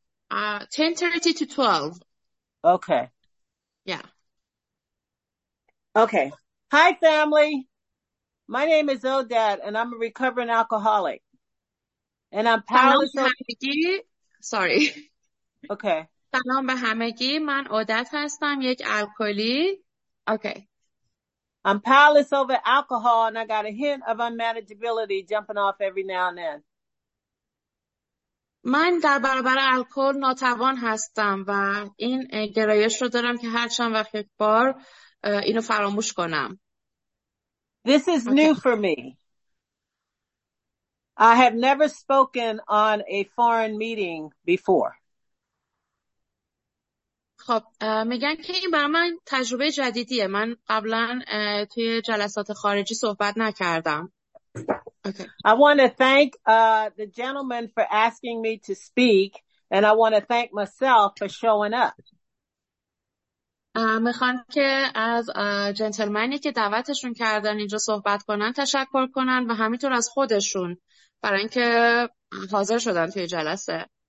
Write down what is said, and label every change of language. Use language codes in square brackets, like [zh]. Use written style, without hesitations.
[en] 10:30 to 12. Okay. Yeah. Okay. Hi, family. My name is Odette, and I'm a recovering alcoholic. And I'm powerless. Sorry. Okay. [fa] سلام به همگی، من عادت هستم، یک الکلی. [en] Okay. I'm powerless over alcohol and I got a hint of unmanageability jumping off every now and then. [fa] من در برابر الکل ناتوان هستم و این گرایش رو دارم که هر چند وقت یک بار اینو فراموش کنم. [en] This is new for me. I have never spoken on a foreign meeting before. [fa] خب میگن که این برای من تجربه جدیدیه. من قبلا توی جلسات خارجی صحبت نکردم. [en] I want to thank the gentleman for asking me to speak and I want to thank myself for showing up. [fa] میخوام که از جنتلمنی که دعوتشون کردن اینجا صحبت کنن تشکر کنن و همینطور از خودشون برای اینکه حاضر شدن توی جلسه.